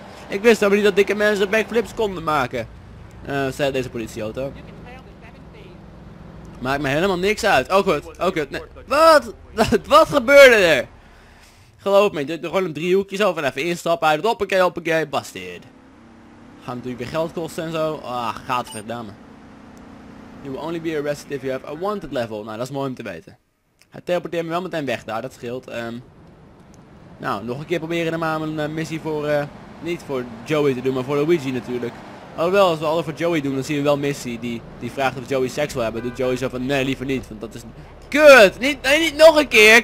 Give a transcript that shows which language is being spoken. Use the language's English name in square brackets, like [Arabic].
[Dutch] Ik wist helemaal niet dat dikke mensen backflips konden maken. Zei deze politieauto. Maakt me helemaal niks uit. Oh goed, oh goed. Wat gebeurde er? Geloof me, je doet er gewoon een driehoekje zo van even instappen uit. Hoppakee, hoppakee, bastard. Gaat natuurlijk weer geld kosten en zo. Ah, gaat verdamme. [English] You will only be arrested if you have a wanted level. [Dutch] Nou, dat is mooi om te weten. Hij teleporteert me wel meteen weg daar, dat scheelt. Nou, nog een keer proberen om een missie voor, niet voor Joey te doen, maar voor Luigi natuurlijk. Alhoewel, als we alles voor Joey doen, dan zien we wel Missy die vraagt of Joey seks wil hebben. Doet Joey zo van, nee, liever niet, want dat is... Kut! Niet, nee, niet nog een keer!